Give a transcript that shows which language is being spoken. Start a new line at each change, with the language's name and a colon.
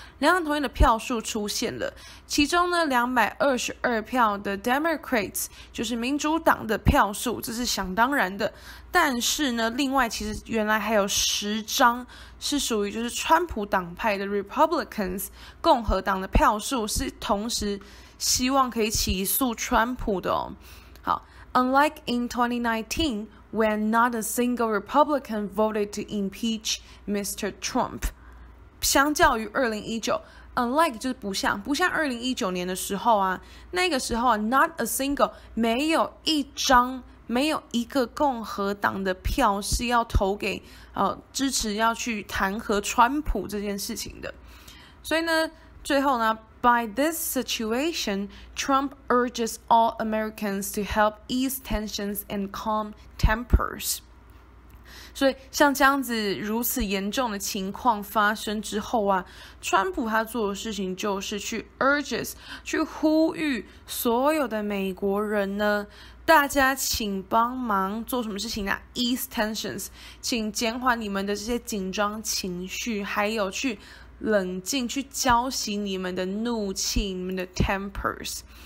Chinese: 两党同意的票数出现了，其中呢222票的 Democrats 就是民主党的票数，这是想当然的，但是呢另外其实原来还有10张是属于就是川普党派的 Republicans 共和党的票数，是同时希望可以起诉川普的哦。
English: 好， Unlike in 2019when not a single Republican voted to impeach Mr.
Chinese: Trump， 相较于2019，unlike 就是不像2019年的时候啊，那个时候啊 ， not a single 没有一张，没有一个共和党的票是要投给支持要去弹劾川普这件事情的，所以呢，最后呢。
English: By this situation, Trump urges all Americans to help ease tensions and calm tempers.
Chinese: 所以像这样子如此严重的情况发生之后啊，川普他做的事情就是去 urges， 去呼吁所有的美国人呢，大家请帮忙做什么事情啊？ Ease tensions，请减缓你们的这些紧张情绪，还有去冷静去浇熄你们的怒气，你们的 tempers。